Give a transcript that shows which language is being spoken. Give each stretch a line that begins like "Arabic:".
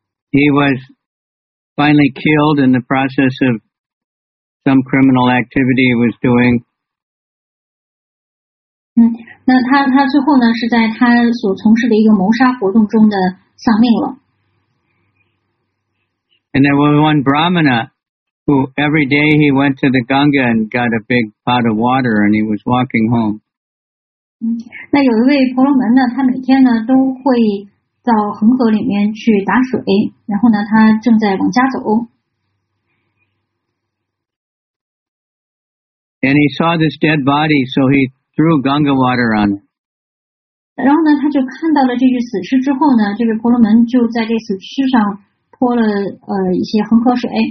English: He was... finally killed in the process of some criminal activity he was doing.
Chinese: 那他最后呢是在他所从事的一个谋杀活动中的丧命了。
English: And there was one Brahmana who every day he went to the Ganga and got a big pot of water and he was walking home.
Chinese: 那有一位婆罗门呢，他每天呢都会到恒河里面去打水，然后呢，他正在往家走。
English: And he saw this dead body, so he threw Ganga water on it.
Chinese: 然后呢，他就看到了这具死尸之后呢，这个婆罗门就在这死尸上泼了一些恒河水。